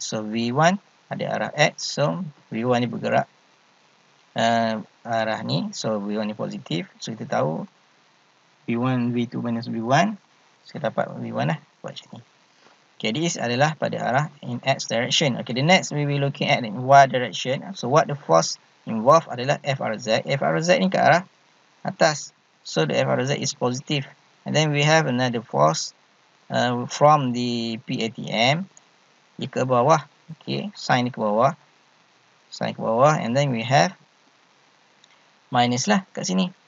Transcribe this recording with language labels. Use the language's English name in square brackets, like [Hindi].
[Malay] So V1 ada arah X. So V1 ni bergerak arah ni. So V1 ni positif. So kita tahu V1, V2 minus V1. So kita dapat V1 lah. Buat macam ni. [English] Okay, this [Malay] adalah pada arah [English] in X direction. Okay, the next we will looking at in Y direction. So what the force involved [Malay] adalah [English] FRZ. [Malay] FRZ ni ke arah atas. [English] So the FRZ is positive. And then we have another force from the PATM [Malay] ke bawah. [English] Okay, sign [Malay] ke bawah. [English] Sign ke bawah. And then we have minus [Malay] lah kat sini.